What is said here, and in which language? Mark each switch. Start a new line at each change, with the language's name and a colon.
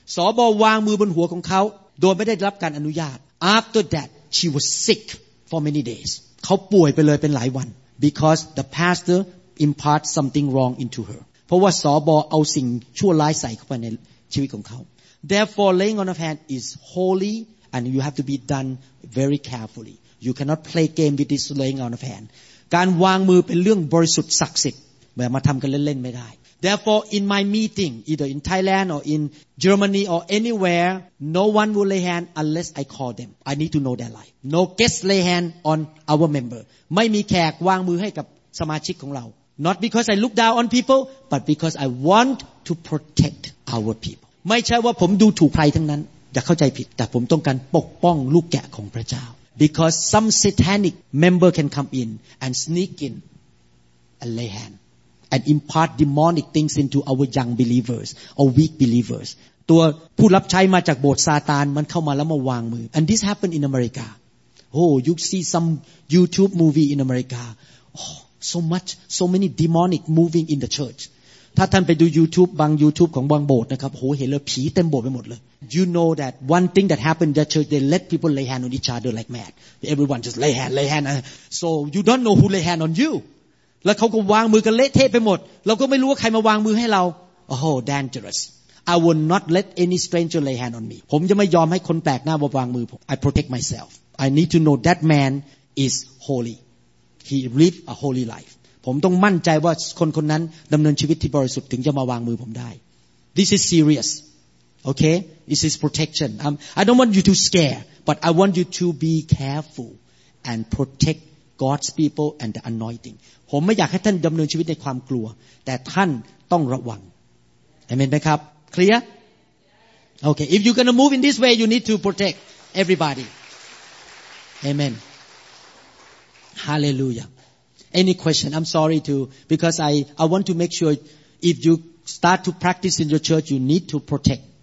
Thai: สบวางมือบนหัวของเขาโดยไม่ได้รับการอนุญาต
English: After that, she was sick for many days.
Thai: เขาป่วยไปเลยเป็นหลายวัน
English: because the pastor impart something wrong into her.
Thai: เพราะว่าสบเอาสิ่งชั่วร้ายใส่เข้าไปในชีวิตของเขา
English: Therefore, laying on of hand is holy and you have to be done very carefully. You cannot play game with this laying on of hand.
Thai: การวางมือเป็นเรื่องบริสุทธิ์ศักดิ์สิทธิ์แบบมาทำกันเล่นๆไม่ได้
English: Therefore in my meeting either in Thailand or in Germany or anywhere no one will lay hand unless I call them I need to know their life no guest lay hand on our member
Thai: ไม่มีแขกวางมือให้กับสมาชิกของเรา
English: not because I look down on people but because I want to protect our people
Thai: ไม่ใช่ว่าผมดูถูกใครทั้งนั้นอย่าเข้าใจผิดแต่ผมต้องการปกป้องลูกแกะของพระเจ้า
English: because some satanic member can come in and sneak in and lay handAnd impart demonic things into our young believers or weak believers.
Thai: ตัวผู้รับใช้มาจากโบสถ์ซาตานมันเข้ามาแล้วมาวางมือ
English: And this happened in America. Oh, you see some YouTube movie in America. Oh, so much, so many demonic moving in the church.
Thai: ถ้าท่านไปดู YouTube บาง YouTube ของบางโบสถ์นะครับโหเห็นเลยผีเต็มโบสถ์ไปหมดเลย
English: You know that one thing that happened in the church, they let people lay hand on each other like mad. Everyone just lay hand. So you don't know who lay hand on you.
Thai: แล้วเขาก็วางมือกันเละเทะไปหมดเราก็ไม่รู้ว่าใครมาวางมือให้เรา
English: Oh, dangerous. I will not let any stranger lay hand on me.
Thai: ผมจะไม่ยอมให้คนแปลกหน้ามาวางมือผม
English: I protect myself. I need to know that man is holy. He lived a holy life.
Thai: ผมต้องมั่นใจว่าคนคนนั้นดำเนินชีวิตที่บริสุทธิ์ถึงจะมาวางมือผมได้
English: This is serious. Okay? This is protection. I don't want you to scare, but I want you to be careful and protect God's people and the anointing.
Thai: ผมไม่อยากให้ท่านดำเนินชีวิตในความกลัวแต่ท่านต้องระวังเอเมนไหมครับเคลียร์โอเค
English: if you're gonna move in this way you need to protect everybody เอเมน hallelujah any question I'm sorry to because I want to make sure if you start to practice in your church you need to protect